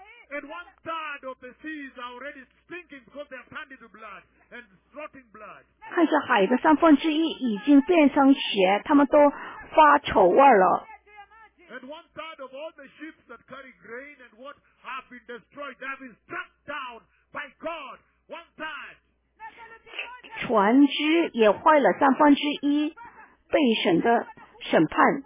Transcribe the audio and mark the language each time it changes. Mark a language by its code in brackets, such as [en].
[en] And one third of the sea is already stinking because they are turned into blood and rotting blood. [zh] 看着海的三分之一已经变成血，他们都发臭味了。 [en] And one third of all the ships that carry grain and what have been destroyed have been struck down by God. One third. [zh] 船只也坏了三分之一，被神的审判。